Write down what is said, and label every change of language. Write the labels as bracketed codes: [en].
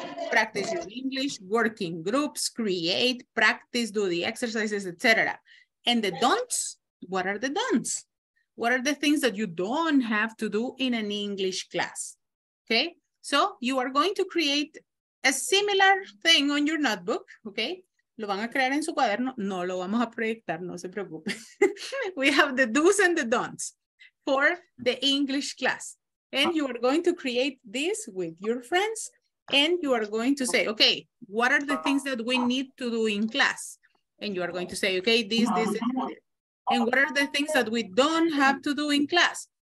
[en] Practice your English, work in groups, create, practice, do the exercises, etc. And the don'ts, what are the don'ts? What are the things that you don't have to do in an English class? Okay, so you are going to create a similar thing on your notebook, okay? [es] Lo van a crear en su cuaderno, no lo vamos a proyectar, no se preocupe. [en] We have the do's and the don'ts for the English class. And you are going to create this with your friends. And you are going to say, okay, what are the things that we need to do in class? And you are going to say, okay, this, and what are the things that we don't have to do in class?